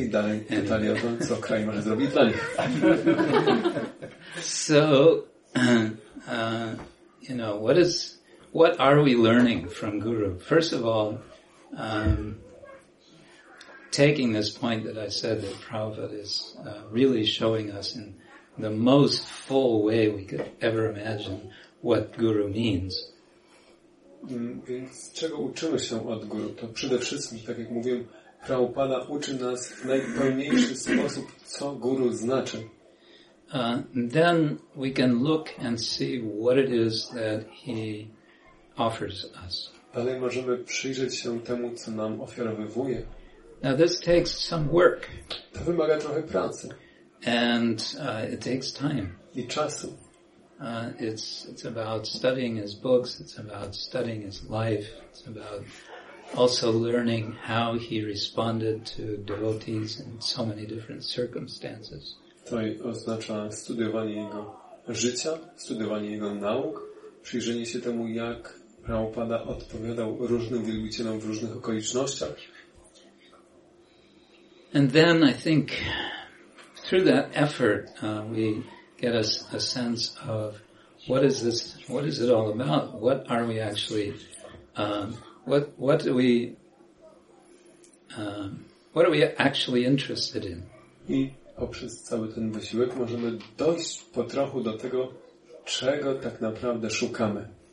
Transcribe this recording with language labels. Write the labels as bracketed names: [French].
[Polish] I dalej pytali o to, co kraj może zrobić dla nich. [English] So, you know, what are we learning from Guru? First of all, taking this point that I said that Prabhupada is really showing us in the most full way we could ever imagine. What guru means. [Polish] Więc czego uczymy się od guru? To przede wszystkim, tak jak mówiłem, Prabhupada uczy nas w najpełniejszy sposób, co guru znaczy. [English] Then we can look and see what it is that he offers us. [Polish] Dalej możemy przyjrzeć się temu, co nam ofiarowuje. [English] Now this takes some work. [Polish] To wymaga trochę pracy. [English] And it takes time. [Polish] I czasu. [English] It's about studying his books, it's about studying his life, it's about also learning how he responded to devotees in so many different circumstances. [Polish] To oznacza studiowanie jego życia, studiowanie jego nauk, przyjrzenie się temu, jak Prabhupada odpowiadał różnym wielbicielom w różnych okolicznościach. [English] And then I think through that effort we get us a sense of what is this, what is it all about? What are we actually, what are we actually interested in? [Polish] I poprzez cały ten wysiłek możemy dojść po trochu do tego, czego tak naprawdę szukamy.